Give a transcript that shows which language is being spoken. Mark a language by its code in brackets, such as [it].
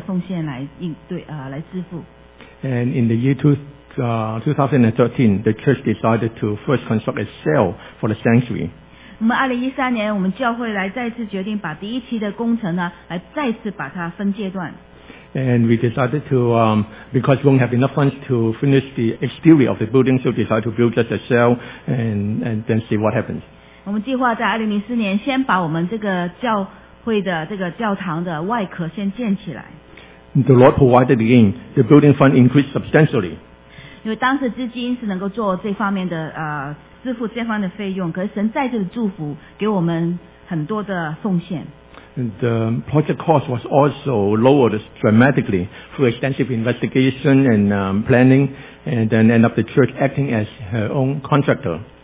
[zh] 这个第一期的这样的一个工程，我们当时还不能确定我们有没有足够的奉献来支付。 [en] And in the year 2013, the church decided to first construct a cell for the sanctuary. [zh] 2013年，我们教会来再次决定把第一期的工程呢，来再次把它分阶段。 [en] And we decided to, because we won't have enough funds to finish the exterior of the building, so we decided to build just a cell and then see what happens. [zh] 我们计划在2004年先把我们这个教会的这个教堂的外壳先建起来。 [en] The Lord provided again. The building fund increased substantially. [zh] 因为当时资金是能够做这方面的支付这方面的费用，可是神再次祝福给我们很多的奉献。 [en] The project cost was also lowered dramatically through extensive investigation and planning, and then end up the church acting as her own contractor.